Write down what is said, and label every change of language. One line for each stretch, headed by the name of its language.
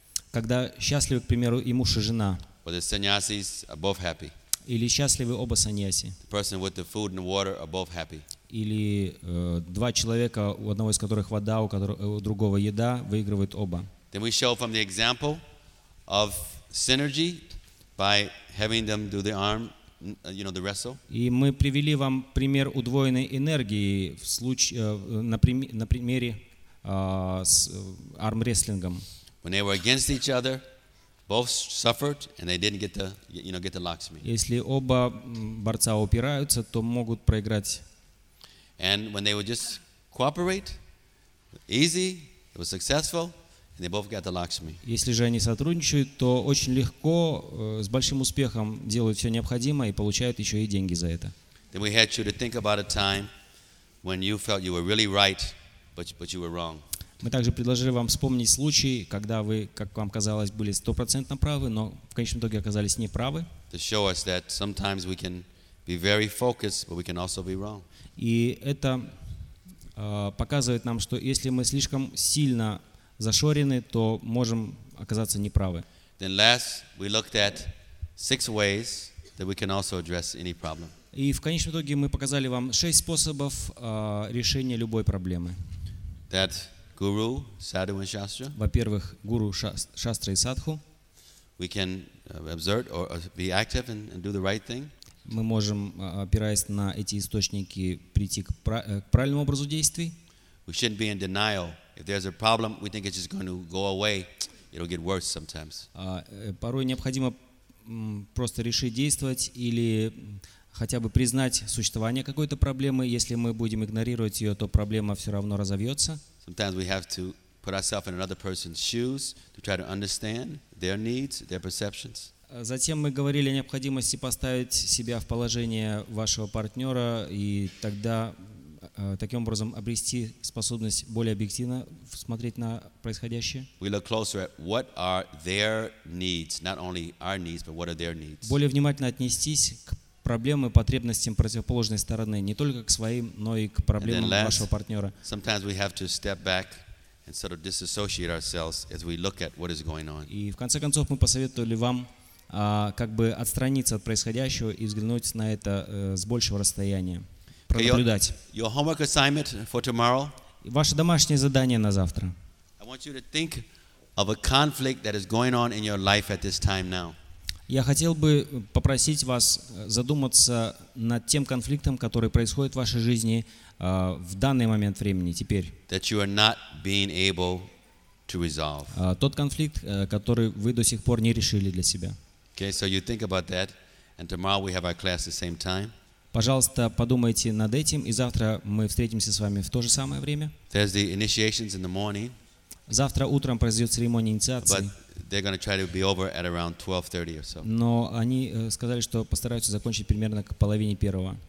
Russian: Когда счастливы, к примеру, и муж, и жена.
English: Where the sannyasis are both happy.
Russian: Или счастливы оба саньяси.
English: The person with the food and the water are both happy.
Russian: Или два человека, у одного из которых вода, у другого еда, выигрывают оба.
English: Then we show from the example of synergy by having them do the arm, you know, the wrestle.
Russian: И мы привели вам пример удвоенной энергии в случае на примере с армрестлингом.
English: When they were against each other, both suffered and they didn't get the, you know, get the locksmith.
Russian: Если оба борца упираются, то могут проиграть.
English: And when they would just cooperate, easy, it was successful. And they both got the locksmith.
Russian: Если же они сотрудничают, то очень легко, с большим успехом делают все необходимое и получают еще и деньги за это.
English: Then we had you to think about a time when you felt you were really right, but you were wrong.
Russian: Мы также предложили вам вспомнить случай, когда вы, как вам казалось, были 100% правы, но в конечном итоге оказались неправы.
English: To show us that sometimes we can be very focused, but we can also be wrong.
Russian: И это показывает нам, что если мы слишком сильно зашорены, то можем оказаться неправы.
English: Then last, we looked at six ways that we can also address any problem.
Russian: И в конечном итоге мы показали вам шесть способов решения любой проблемы.
English: That guru, sadhu and shastra.
Russian: Во-первых, гуру, шастра и садху.
English: We can exert or be active and do the right thing.
Russian: Мы можем, опираясь на эти источники, прийти к правильному образу действий.
English: We shouldn't be in denial. If there's a problem, we think it's just going to go away. It'll get worse sometimes.
Russian: Порой необходимо просто решить действовать или хотя бы признать существование какой-то проблемы. Если мы будем игнорировать ее, то проблема все равно разовьется.
English: Sometimes we have to put ourselves in another person's shoes to try to understand their needs, their perceptions.
Russian: Затем мы говорили о необходимости поставить себя в положение вашего партнера и тогда таким образом обрести способность более объективно смотреть на происходящее.
English: We look closer at what are their needs, not only our needs, but what are their needs.
Russian: Более внимательно отнестись к проблемам и потребностям противоположной стороны, не только к своим, но и к проблемам вашего партнера.
English: Sometimes we have to step back and sort of disassociate ourselves as we look at what is going on.
Russian: И в конце концов мы посоветовали вам как бы отстраниться от происходящего и взглянуть на это с большего расстояния.
English: Okay, your homework assignment for tomorrow.
Russian: Ваше домашнее задание на завтра.
English: I want you to think of a conflict that is going on in your life at this time now.
Russian: Я хотел бы попросить вас задуматься над тем конфликтом, который происходит в вашей жизни в данный момент времени, теперь.
English: That you are not being able to resolve.
Russian: Тот конфликт, который вы до сих пор не решили для себя.
English: Okay, so you think about that, and tomorrow we have our class at the same time.
Russian: Пожалуйста, подумайте над этим, и завтра мы встретимся с вами в то же самое время.
English: There's the initiations in the morning.
Russian: Завтра утром произойдет церемония инициации.
English: But they're going to try to be over at around 12:30 or so.
Russian: Но они сказали, что постараются закончить примерно к половине первого.